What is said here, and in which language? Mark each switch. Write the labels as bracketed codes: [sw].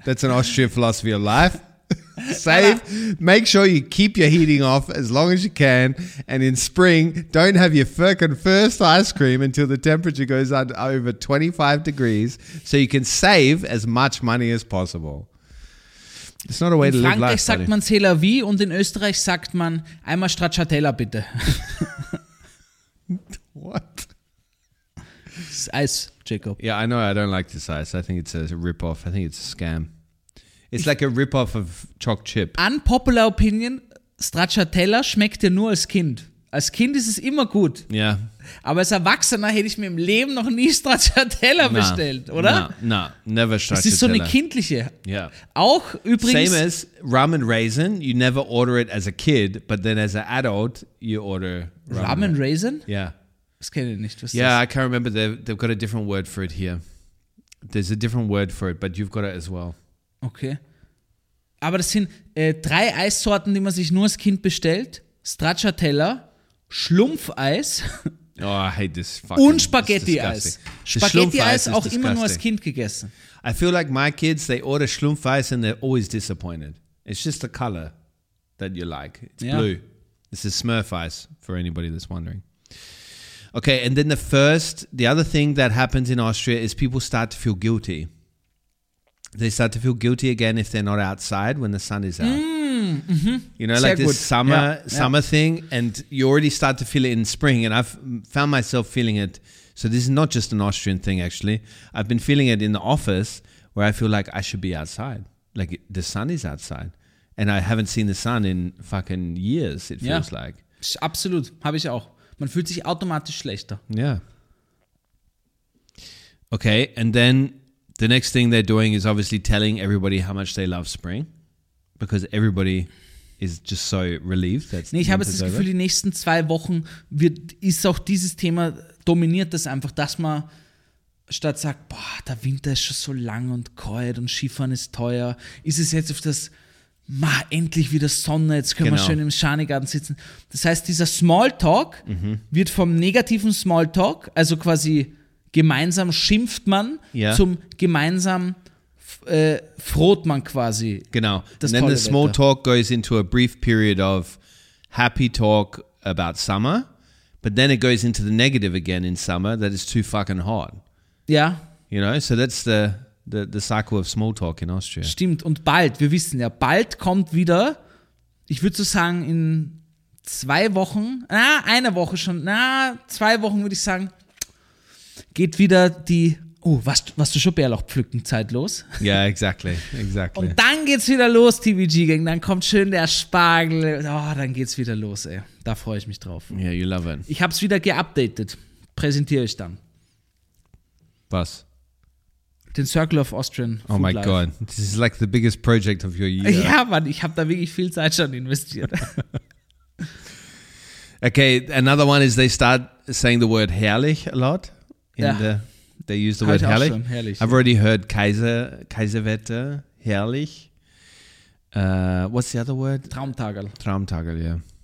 [en] That's an Austrian philosophy of life. Save. Make sure you keep your heating off as long as you can. And in spring, don't have your fucking first ice cream until the temperature goes up over 25 degrees so you can save as much money as possible. It's not a way in to [de] Frankreich [en] live life. [de] In Frankreich sagt man [fr] c'est la vie [de] und in Österreich sagt man einmal Stracciatella bitte. [en] What? It's ice. Jacob. Yeah, I know. I don't like this ice. I think it's a rip-off. I think it's a scam. It's like a rip-off of choc chip. Unpopular opinion, [de] Stracciatella schmeckt dir nur als Kind. Als Kind ist es immer gut. [en] Yeah. [de] Aber als Erwachsener hätte ich mir im Leben noch nie Stracciatella bestellt, oder? [en] No, never Stracciatella. [de] Das ist so eine kindliche. [en] Yeah. [de] Auch übrigens. [en] Same as rum and raisin. You never order it as a kid, but then as an adult, you order rum and raisin? Yeah. [de] Nicht, [en] yeah, I can't remember. They've got a different word for it here. There's a different word for it, but you've got it as well. Okay. [de] Aber das sind 3 Eissorten, die man sich nur als Kind bestellt. Stracciatella, Schlumpfeis, [en] Oh, I hate this fucking. [de] Und Spaghetti-Eis. Spaghetti-Eis auch immer nur als Kind gegessen. [en] I feel like my kids, they order Schlumpfeis and they're always disappointed. It's just the color that you like. It's blue. This is Smurfeis for anybody that's wondering. Okay, and then the other thing that happens in Austria is people start to feel guilty. They start to feel guilty again if they're not outside when the sun is out. You know, like this summer thing, and you already start to feel it in spring, and I've found myself feeling it. So this is not just an Austrian thing, actually. I've been feeling it in the office where I feel like I should be outside. Like the sun is outside, and I haven't seen the sun in fucking years, it feels like. [de] Absolut, habe ich auch. Man fühlt sich automatisch schlechter. [en] Yeah. Okay, and then the next thing they're doing is obviously telling everybody how much they love spring. Because everybody is just so relieved. Ich habe das Gefühl, die nächsten zwei Wochen ist auch dieses Thema dominiert, das einfach, dass man statt sagt, boah, der Winter ist schon so lang und kalt und Skifahren ist teuer, ist es jetzt auf das, mach endlich wieder Sonne, jetzt können wir schön im Schanigarten sitzen. Das heißt, dieser Smalltalk wird vom negativen Smalltalk, also quasi gemeinsam schimpft man, zum gemeinsamen froht man quasi. Genau. And then the small talk goes into a brief period of happy talk about summer, but then it goes into the negative again in summer that it's too fucking hot. Yeah. You know, so that's the cycle of small talk in Austria. [de] Stimmt. Und bald, wir wissen ja, bald kommt wieder, ich würde so sagen, in zwei Wochen, zwei Wochen würde ich sagen, geht wieder die warst du schon Bärlauch pflücken, zeitlos? Ja, [en] yeah, exactly. [de] Und dann geht's wieder los, TVG-Gang. Dann kommt schön der Spargel. Oh, dann geht's wieder los, ey. Da freue ich mich drauf. [en] Yeah, you love it. [de] Ich hab's wieder geupdatet. Präsentiere ich dann. Was? [en] Den Circle of Austrian Food Life. Oh my God, this is like the biggest project of your year. [de] Ja, Mann, ich hab da wirklich viel Zeit schon investiert. [en] Okay, another one is they start saying the word herrlich a lot. They use the word herrlich. I've already heard Kaiserwetter, herrlich. What's the other word? [de] Traumtagel, [en] yeah.